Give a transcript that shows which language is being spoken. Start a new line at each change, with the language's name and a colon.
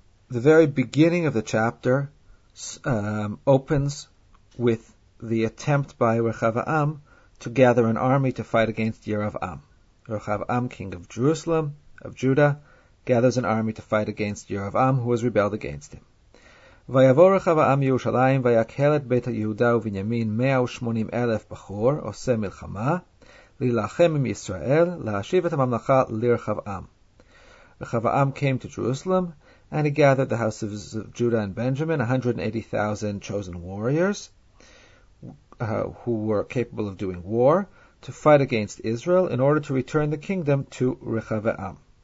English: The very beginning of the chapter opens with the attempt by Rechavam to gather an army to fight against Yerovam. Rechavam, king of Jerusalem, of Judah, gathers an army to fight against Yerovam, who has rebelled against him.
Hebrew: ויבוא רחבעם ירושלים ויקהל את בית יהודה ובנימין 180 אלף בחור עושה מלחמה להילחם עם ישראל להשיב את הממלכה לרחבעם.
English: רחבעם came to Jerusalem and he gathered the houses of Judah and Benjamin, 180,000 chosen warriors who were capable of doing war to fight against Israel in order to return the kingdom to Rechavam.